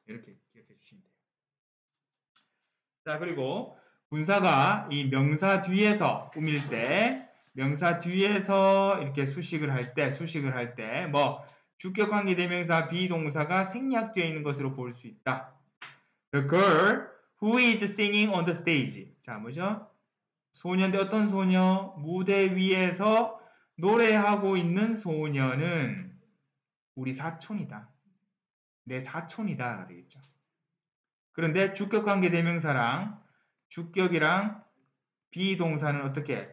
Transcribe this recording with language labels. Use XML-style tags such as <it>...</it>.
<ko>이렇게 기억해 주시면 돼요. 자, 그리고 분사가 이 명사 뒤에서 꾸밀 때, 명사 뒤에서 이렇게 수식을 할 때, 뭐, 주격 관계 대명사 비동사가 생략되어 있는 것으로 볼 수 있다.</ko> <en>The girl who is singing on the stage.</en> <ko>자, 뭐죠? 소년대 어떤 소녀? 무대 위에서 노래하고 있는 소녀는 우리 사촌이다. 내 사촌이다. 되겠죠. 그런데 주격관계 대명사랑 주격이랑 비동사는 어떻게?</ko>